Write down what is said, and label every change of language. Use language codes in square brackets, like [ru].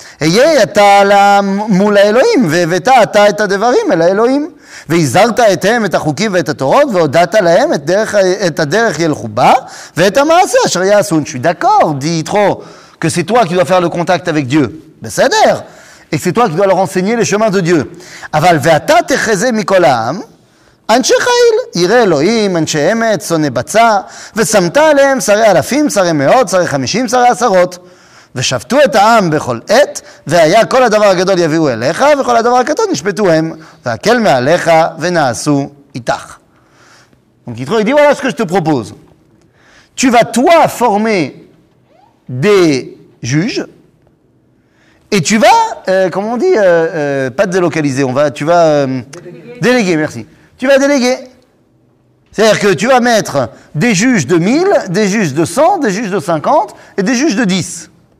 [he] היה אתה מול האלוהים, והבאת אתה את הדברים אל האלוהים, והזהרת את הם את החוקים ואת התורות, והודעת להם את, דרך, את הדרך ילכו בה, ואת המעשה אשר יעשו. [fr] Je suis d'accord, dit Yitro, que c'est toi qui dois faire le contact avec Dieu. בסדר. Et c'est toi qui dois leur enseigner les chemins de Dieu. [he] אבל ואתה תחזה מכל העם, אנשי חיל, ירא אלוהים, אנשי אמת, שונא בצע, ושמת עליהם שרי אלפים, שרי מאות, שרי חמישים, שרי עשרות. ושפטו את העם בכל עת, והיה כל הדבר הגדול יביאו אליך, וכל הדבר הקטן נשפטו הם, והקל מעליך ונעשו איתך. [fr] Donc, Yitro, il dit, voilà ce que je te propose. Tu vas, toi, former des juges, et tu vas, comment on dit, pas délocaliser, tu vas déléguer, merci. Tu vas déléguer. C'est-à-dire que tu vas mettre des juges de 1000, des juges de 100, des juges de 50, et des juges de 10.